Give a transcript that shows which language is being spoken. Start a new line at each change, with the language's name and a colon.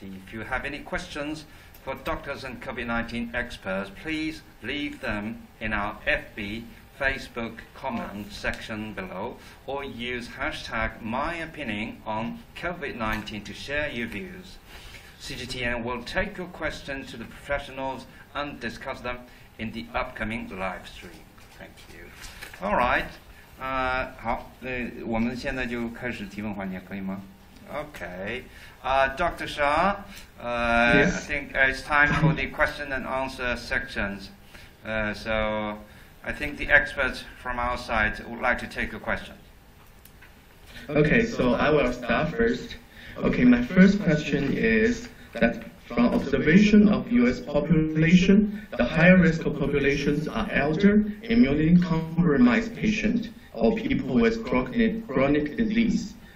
English: If you have any questions for doctors and COVID-19 experts, please leave them in our FB, Facebook comment section below, or use hashtag myopinion on COVID-19 to share your views. CGTN will take your questions to the professionals and discuss them in the upcoming live stream. Thank you. All right.
Chinese: 好，我们现在就开始提问环节，可以吗？
English: Okay. Dr. Shah, yes. I think it's time for the question and answer sections. So I think the experts from our side would like to take your question. Okay, so I will start first. Okay, my first question is that from observation of US population, the higher risk of populations are elder, immunocompromised patients, or people with chronic disease.